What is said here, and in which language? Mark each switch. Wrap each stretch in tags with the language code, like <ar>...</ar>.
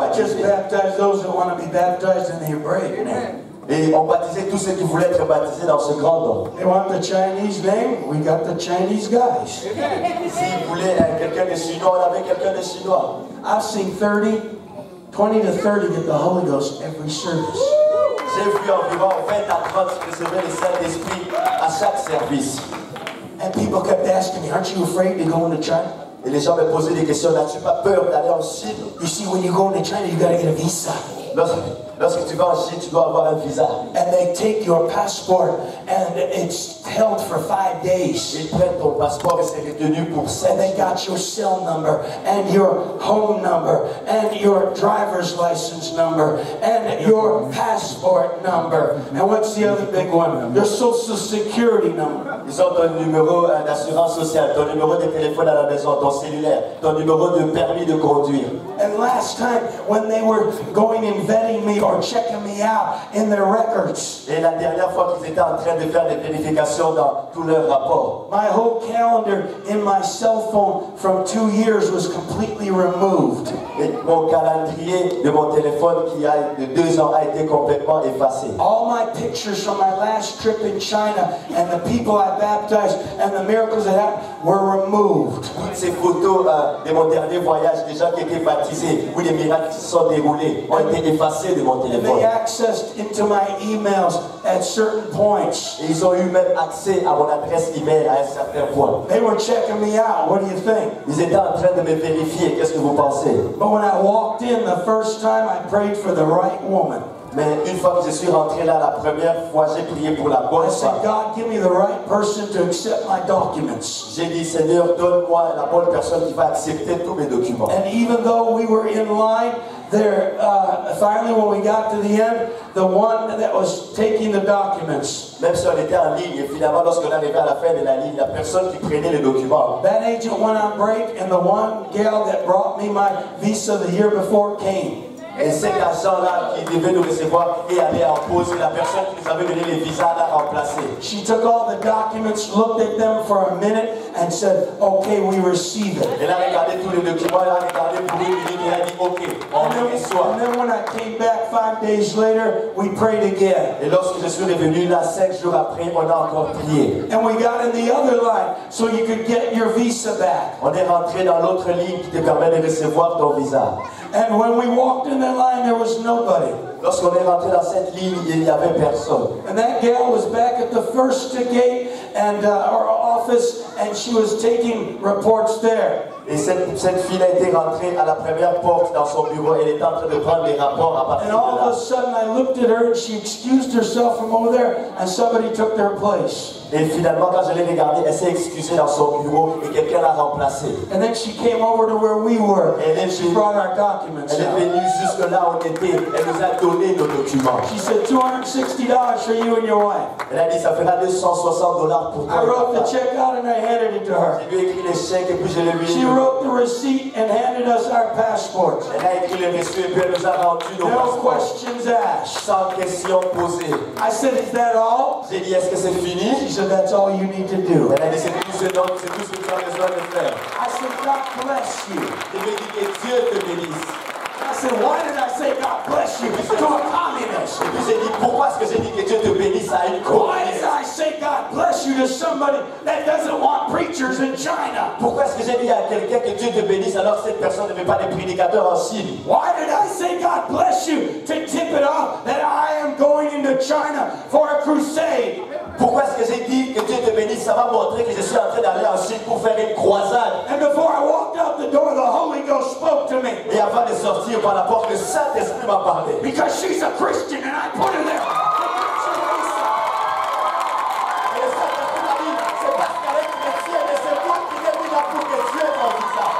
<en>Just baptize those who want to be baptized in the Hebraic name.</en> <fr>Et on baptisait tous ceux qui voulaient être baptisés dans ce grand nom.</fr> <en>They want the Chinese name? We got the Chinese guys.</en> <fr>S'ils voulaient quelqu'un de chinois, on avait quelqu'un de chinois.</fr> <en>I've seen 20 to 30 get the Holy Ghost every service.</en> <fr>J'ai vu environ 20 à 30 recevoir le Saint-Esprit à chaque service.</fr> <en>And people kept asking me, aren't you afraid to go into China?</en> <fr>Et les gens me posaient des questions, n'as-tu pas peur d'aller en Chine?</fr> <en>You see, when you go into China, you gotta get a visa.</en> <fr>Lorsque tu vas en Chine, tu dois avoir un visa.</fr> <en>And they take your passport and it's held for 5 days.</en> <fr>Ils prennent ton passeport et c'est retenu pour 7 jours.</fr> <en>And they got your cell number and your home number and your driver's license number and your passport number. And what's the other big one? Your social security number.</en> <fr>Ils ont ton numéro d'assurance sociale, ton numéro de téléphone à la maison, ton cellulaire, ton numéro de permis de conduire.</fr> <en>And last time, when they were going and vetting me or checking me out in their records.</en> <fr>Et la dernière fois qu'ils étaient en train de faire des vérifications dans tous leurs rapports.</fr> <en>My whole calendar in my cell phone from 2 years was completely removed.</en> <fr>Et mon calendrier de mon téléphone qui a de 2 ans a été complètement effacé.</fr> <en>All my pictures from my last trip in China and the people I baptized and the miracles that happened were removed.</en> <fr>Toutes ces photos de mon dernier voyage, des gens qui étaient baptisés, où les miracles se sont déroulés, ont été effacés de mon téléphone.</fr> <en>They accessed into my emails at certain points.</en> <fr>Et ils ont eu même accès à mon adresse email à un certain point.</fr> <en>They were checking me out. What do you think?</en> <fr>Ils étaient en train de me vérifier. Qu'est-ce que vous pensez?</fr> <en>But when I walked in the first time, I prayed for the right woman.</en> <fr>Mais une fois que je suis rentré là, la première fois, j'ai prié pour la bonne femme.</fr> <en>I said, God, give me the right person to accept my documents.</en> <fr>J'ai dit, Seigneur, donne-moi la bonne personne qui va accepter tous mes documents.</fr> <en>And even though we were in line, there, finally, when we got to the end, the one that was taking the documents.</en> <fr>Même si on était en ligne, et finalement, lorsqu'on arrivait à la fin de la ligne, la personne qui prenait les documents.</fr> <en>That agent went on break, and the one gal that brought me my visa the year before came.</en> <fr>Et cet agent-là qui devait nous recevoir et aller en pause, la personne qui nous avait donné les visas l'a remplacé.</fr> <en>She took all the documents, looked at them for a minute, and said, "Okay, we receive it."</en> <fr>Elle a regardé tous les documents, elle a regardé pour une minute et a dit, "Okay, on le reçoit."</fr> <en>And then when I came back 5 days later, we prayed again.</en> <fr>Et lorsque je suis revenu là 5 jours après, on a encore prié.</fr> <en>And we got in the other line so you could get your visa back.</en> <fr>On est rentré dans l'autre ligne qui te permet de recevoir ton visa.</fr> <en>And when we walked in that line, there was nobody.</en> <fr>Lorsqu'on est rentré dans cette ligne, il n'y avait personne.</fr> <en>And that gal was back at the first gate and our office, and she was taking reports there.</en> <fr>Et cette fille a été rentrée à la première porte dans son bureau. Elle est en train de prendre les rapports à partir de là.</fr> <en>And all of a sudden, I looked at her, and she excused herself from over there, and somebody took their place.</en> <fr>Et finalement, quand je l'ai regardée, elle s'est excusée dans son bureau et quelqu'un l'a remplacée.</fr> <en>And then she came over to where we were.</en> <fr>Et</fr> <en>then she brought our documents.</en> <fr>Elle est venue jusque là où on était. Elle nous a donné nos documents.</fr> <en>She said, $260 for you and your wife.</en> <fr>Elle a dit, ça fera $260 pour toi.</fr> <en>I wrote the check out and I handed it to her.</en> <fr>J'ai lui écrit les chèques et puis je l'ai mis.</fr> <en>She wrote the receipt and handed us our passport.</en> <fr>Elle a écrit le reçu et puis elle nous a rendu nos</fr> <en>passeports. No questions asked.</en> <fr>Sans questions posées.</fr> <en>I said, is that all?</en> <fr>J'ai dit, est-ce que c'est fini?</fr> <en>So that's all you need to do. And I said, God bless you. I said, why did I say God bless you to a communist?</en> <fr>Et dit, pourquoi est-ce que j'ai dit que Dieu te bénisse à une communiste?</fr> <en>Why did I say God bless you to somebody that doesn't want preachers in China?</en> <fr>Pourquoi est-ce que j'ai dit à quelqu'un que Dieu te bénisse alors que cette personne ne veut pas des prédicateurs en Chine?</fr> <en>Why did I say God bless you to tip it off that I am going into China for a crusade?</en> <fr>Pourquoi est-ce que j'ai dit que Dieu te bénisse? Ça va montrer que je suis en train d'aller en Chine pour faire une croisade.</fr> <en>And before I walked out the door, the Holy Ghost spoke to me.</en> <fr>Et avant de sortir par la porte, le Saint-Esprit m'a parlé.</fr> <en>Because she's a Christian and I put her there.</en> <fr>Et le Saint-Esprit m'a dit, c'est parce qu'elle est chrétienne et c'est toi qui l'as mis là pour que Dieu ait ton visa.</fr>